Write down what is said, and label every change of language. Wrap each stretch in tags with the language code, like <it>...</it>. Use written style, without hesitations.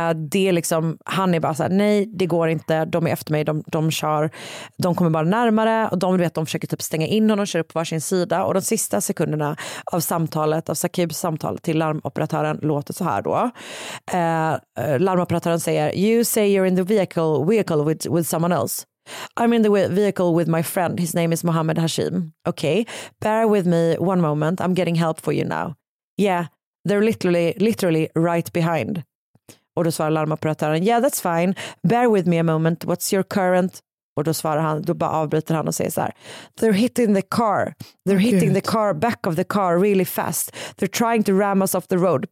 <sv>Det är liksom, han är bara så här, nej, det går inte, de är efter mig, de kommer bara närmare, och de vet, de försöker typ stänga in honom och kör upp på varsin sida. Och de sista sekunderna av samtalet, av Saqibs samtal till larmoperatören, låter så här då. Larmoperatören säger:</sv> <en>"You say you're in the vehicle with someone else. I'm in the vehicle with my friend. His name is Mohammed Hashim. Okay, bear with me one moment. I'm getting help for you now. Yeah, they're literally right behind."</en> <sv>Och då svarar larmoperatören:</sv> <en>"Yeah, that's fine. Bear with me a moment. What's your current?"</en> <sv>Och då svarar han, då bara avbryter han och säger så här:</sv> <en>"They're hitting the car. They're hitting the car, back of the car, really fast. They're trying to ram us off the road.</en>